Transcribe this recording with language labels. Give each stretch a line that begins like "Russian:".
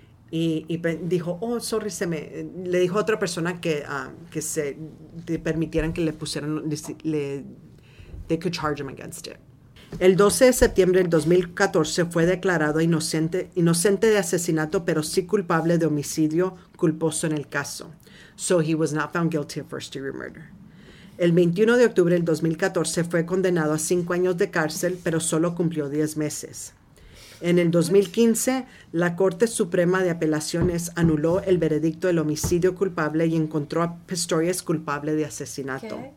Spanish: Y dijo, oh, sorry, le dijo a otra persona que se permitieran que le pusieran,
English: they could charge him against it.
Spanish: El 12 de septiembre del 2014 fue declarado inocente de asesinato, pero sí culpable de homicidio culposo en el caso.
English: So he was not found guilty of first degree murder.
Spanish: El 21 de octubre del 2014 fue condenado a 5 años de cárcel, pero solo cumplió 10 meses. En el 2015, la Corte Suprema de Apelaciones anuló el veredicto del homicidio culpable y encontró a Pistorius culpable de asesinato.